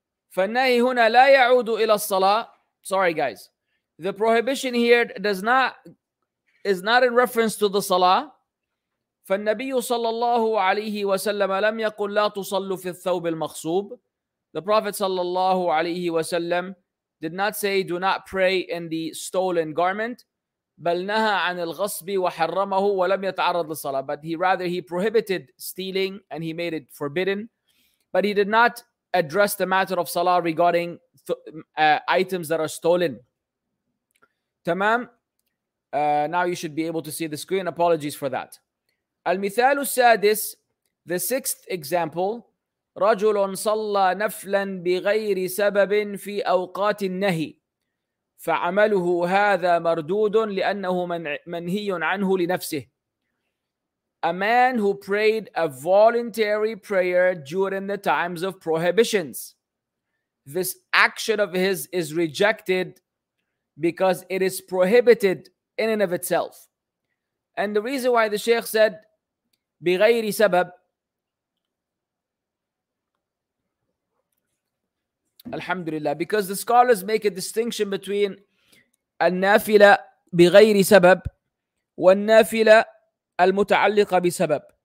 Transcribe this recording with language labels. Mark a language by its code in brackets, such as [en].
[ar] فالنهي هنا لا يعود إلى الصلاة. [en] Sorry guys, the prohibition here is not in reference to the salah. [ar] فالنبي صلى الله عليه وسلم لم يقل لا تصلوا في الثوب المغصوب. [en] The Prophet صلى الله عليه وسلم did not say do not pray in the stolen garment, [ar] بل نهى عن الغصب وحرمه ولم يتعرض للصلاة. [en] But he prohibited stealing and he made it forbidden. But he did not address the matter of salah regarding items that are stolen. [ar] تمام. [en] Now you should be able to see the screen. Apologies for that. [ar] المثال السادس, [en] the sixth example, [ar] رجل صلى نفلا بغير سبب في أوقات النهي فعمله هذا مردود لأنه منهي عنه لنفسه. [en] A man who prayed a voluntary prayer during the times of prohibitions. This action of his is rejected because it is prohibited in and of itself. And the reason why the Shaykh said [ar] بغير سبب, [en] Alhamdulillah, because the scholars make a distinction between [ar] النافلة بغير سبب والنافلة المتعلقة بسبب.